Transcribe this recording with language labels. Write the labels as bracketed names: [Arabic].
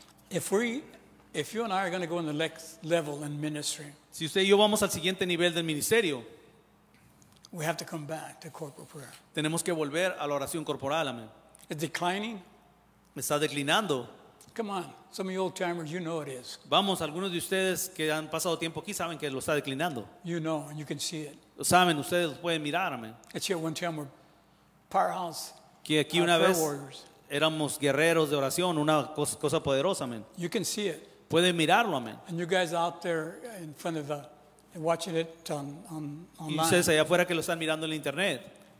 [English] If you and I are going to go in the next level in ministry. [Spanish] Si usted y yo vamos al siguiente nivel del ministerio. [English] We have to come back to corporate prayer. [Spanish] Tenemos que volver a la oración corporal, amén. [English] It's declining. [Spanish] Está declinando. [English] Come on, some of you old timers, you know it is. [Spanish] Vamos, algunos de ustedes que han pasado tiempo aquí saben que lo está declinando. [English] You know, and you can see it. [Spanish] Lo saben, ustedes pueden mirar, amén. [English] It's here one time we're powerhouse. [Spanish] Que aquí una vez éramos guerreros de oración, una cosa poderosa, amén. [English] You can see it. [Spanish] Pueden mirarlo, amén. [English] And you guys out there in front of the watching it on online. [Spanish] Y ustedes allá afuera que lo están mirando en la internet.